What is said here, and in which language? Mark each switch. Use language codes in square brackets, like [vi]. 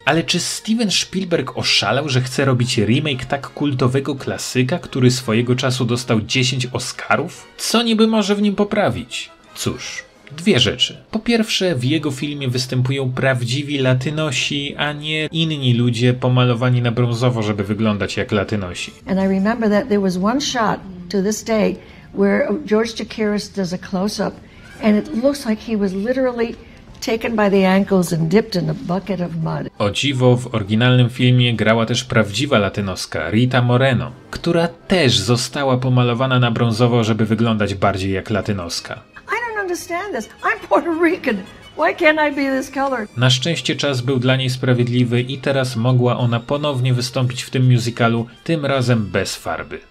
[pl] Ale czy Steven Spielberg oszalał, że chce robić remake tak kultowego klasyka, który swojego czasu dostał 10 Oscarów? Co niby może w nim poprawić? Cóż, dwie rzeczy. Po pierwsze, w jego filmie występują prawdziwi Latynosi, a nie inni ludzie pomalowani na brązowo, żeby wyglądać jak Latynosi. [en] And I remember that there was one shot to this day where George Takaris does a close up and it looks like he was literally taken by the ankles and dipped in a bucket of mud. [pl] O dziwo, w oryginalnym filmie grała też prawdziwa latynoska Rita Moreno, która też została pomalowana na brązowo, żeby wyglądać bardziej jak latynoska. [en] I don't understand this. I'm Puerto Rican. Why can't I be this color? [pl] Na szczęście czas był dla niej sprawiedliwy i teraz mogła ona ponownie wystąpić w tym musicalu, tym razem bez farby.